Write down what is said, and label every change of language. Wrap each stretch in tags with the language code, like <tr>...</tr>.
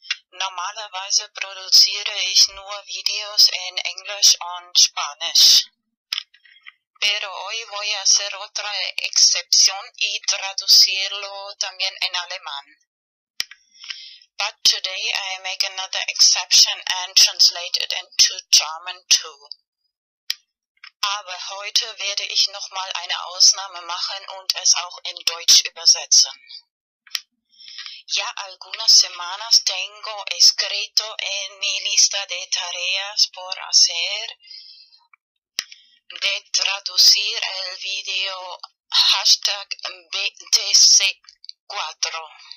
<de>Normalerweise produziere ich nur Videos in Englisch und Spanisch.</de> <es>Pero hoy voy a hacer otra excepción y traducirlo también en alemán.</es> <en>But today I make another exception and translate it into German too.</en> <de>Aber heute werde ich nochmal eine Ausnahme machen und es auch in Deutsch übersetzen.</de> <es>Ya algunas semanas tengo escrito en mi lista de tareas por hacer de traducir el video hashtag BTC4.</es>